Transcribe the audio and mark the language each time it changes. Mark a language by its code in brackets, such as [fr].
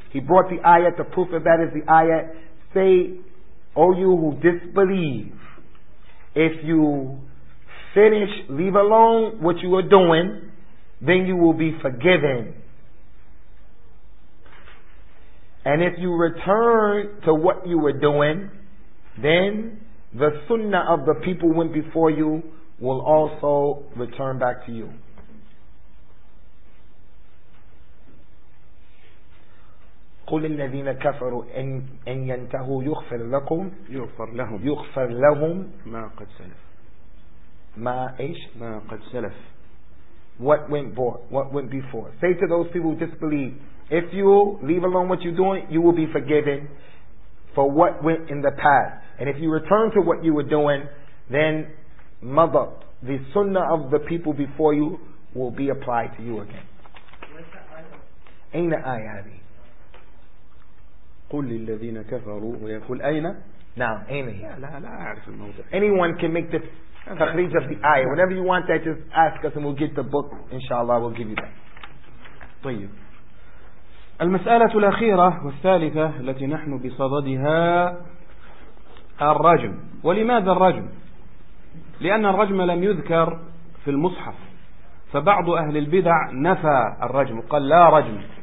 [en] He brought the ayat, the proof of that is the ayat, say, O you who disbelieve, if you finish, leave alone what you are doing, then you will be forgiven. And if you return to what you were doing, then the sunnah of the people went before you will also return back to you. [ar] قل الذين كفروا ان ينتهوا يغفر لكم يغفر لهم ما قد سلف ما ايش ما قد سلف [en] what went before say to those people who disbelieve, if you leave alone what you're doing, you will be forgiven for what went in the past, and if you return to what you were doing, then madat, the sunnah of the people before you, will be applied to you again. Ain't the ayah hadi [ar] قل للذين كفروا ويقول أين نعم أين هي لا لا أعرف الموضع. [en] Anyone can make the تخريج of the ayah. Whenever you want that, just ask us and we'll get the book. Inshallah, we'll give you that. [ar] طيب. المسألة الأخيرة والثالثة التي نحن بصددها الرجم. ولماذا الرجم؟ لأن الرجم لم يذكر في المصحف. فبعض أهل البدع نفى الرجم. قال لا رجم.